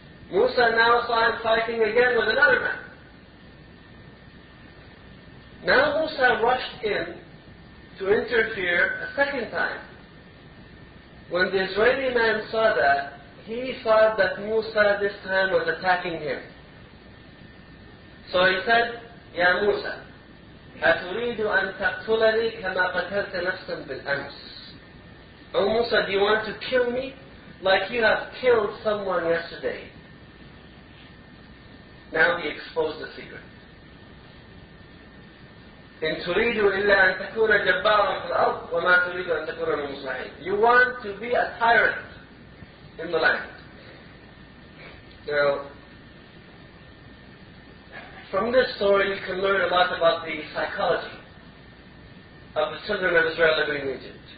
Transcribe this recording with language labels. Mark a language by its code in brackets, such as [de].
[en] Musa now saw him fighting again with another man. Now Musa rushed in to interfere a second time. When the Israeli man saw that, he thought that Musa this time was attacking him. [ar] So he said, Ya Musa, أَتُرِيدُ أَن تَقْتُلَنِي كَمَا قَتَلْتَ نَفْسًا بِالْأَمْسِ. [en] O Musa, do you want to kill me like you have killed someone yesterday? Now he exposed the secret. [ar] إن تريد إلا أن تكون جبارا في الأرض وما تريد أن تكون من المصلحين. [en] You want to be a tyrant in the land. Now, from this story you can learn a lot about the psychology of the children of Israel living in Egypt.